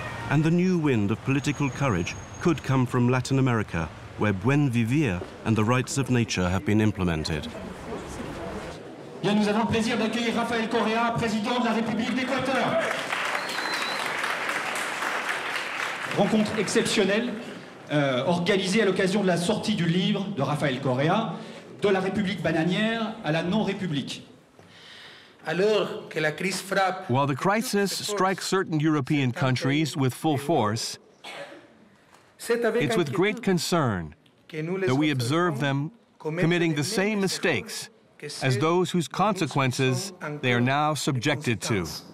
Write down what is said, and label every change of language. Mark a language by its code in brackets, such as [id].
[en] And the new wind of political courage could come from Latin America, where buen vivir and the rights of nature have been implemented. [fr] Bien, nous avons le plaisir d'accueillir Rafael Correa, président de la République d'Équateur. Rencontre exceptionnelle, organisée à l'occasion de la sortie du livre de Rafael Correa, de la République bananière à la non-République. [en] While the crisis strikes certain European countries with full force, it's with great concern that we observe them committing the same mistakes as those whose consequences they are now subjected to.